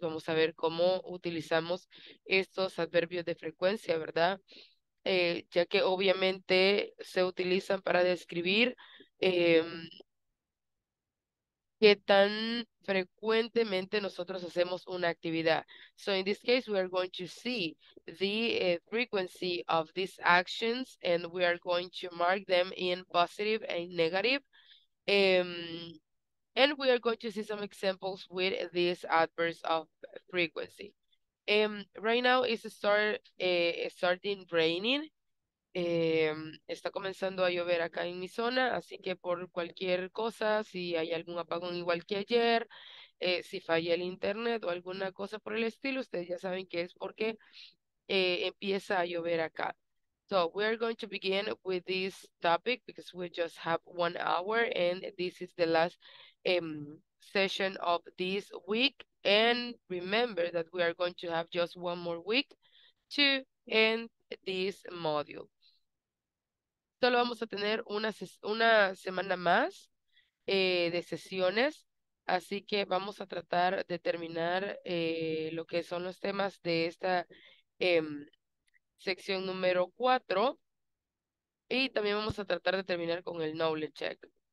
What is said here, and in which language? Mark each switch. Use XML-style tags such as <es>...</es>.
<es>Vamos a ver cómo utilizamos estos adverbios de frecuencia, ¿verdad? Ya que obviamente se utilizan para describir qué tan frecuentemente nosotros hacemos una actividad.</es> <en>So in this case, we are going to see the frequency of these actions and we are going to mark them in positive and negative. And we are going to see some examples with these adverbs of frequency. Right now it's starting raining.</en> <es>Está comenzando a llover acá en mi zona, así que por cualquier cosa, si hay algún apagón igual que ayer, si falla el internet o alguna cosa por el estilo, ustedes ya saben que es porque empieza a llover acá.</es> <en>So we are going to begin with this topic because we just have 1 hour and this is the last session of this week. And remember that we are going to have just 1 more week to end this module.</en> <es>Solo vamos a tener una semana más de sesiones. Así que vamos a tratar de terminar lo que son los temas de esta sección número 4 y también vamos a tratar de terminar con el knowledge check.</es>